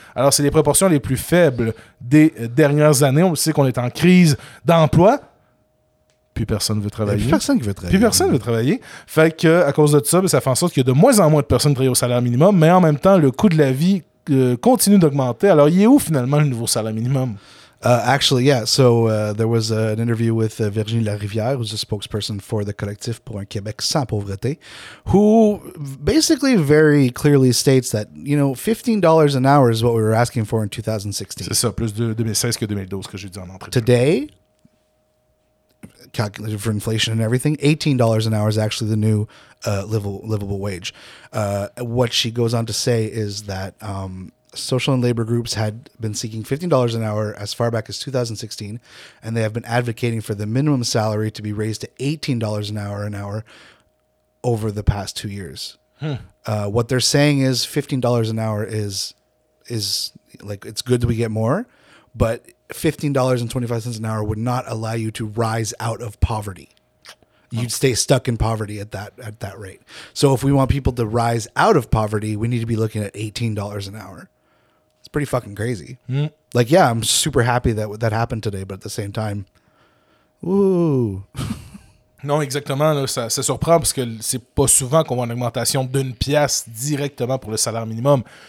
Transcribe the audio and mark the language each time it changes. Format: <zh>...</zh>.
<fr>Alors, c'est les proportions les plus faibles des dernières années. On sait qu'on est en crise d'emploi. Plus personne veut travailler. Plus personne veut travailler. Fait que à cause de ça, ça fait en sorte qu'il y a de moins en moins de personnes travaillent au salaire minimum, mais en même temps, le coût de la vie continue d'augmenter. Alors, il est où finalement le nouveau salaire minimum?</fr> <en>There was an interview with Virginie Larivière, who's a spokesperson for the Collectif pour un Québec sans pauvreté, who basically very clearly states that, you know, $15 an hour is what we were asking for in 2016.</en> <fr>C'est ça, plus de 2016 que 2012 que j'ai dit en entrée.</fr> <en>Today, calculated for inflation and everything, $18 an hour is actually the new livable wage. What she goes on to say is that social and labor groups had been seeking $15 an hour as far back as 2016, and they have been advocating for the minimum salary to be raised to $18 an hour over the past 2 years. What they're saying is $15 an hour is like, it's good that we get more, but $15.25 an hour would not allow you to rise out of poverty. You'd stay stuck in poverty at that rate. So if we want people to rise out of poverty, we need to be looking at $18 an hour. It's pretty fucking crazy. Like, yeah, I'm super happy that happened today, but at the same time, ooh.</en> <fr>Non, exactement. Là, ça surprend parce que c'est pas souvent qu'on voit une augmentation d'une pièce directement pour le salaire minimum.</fr>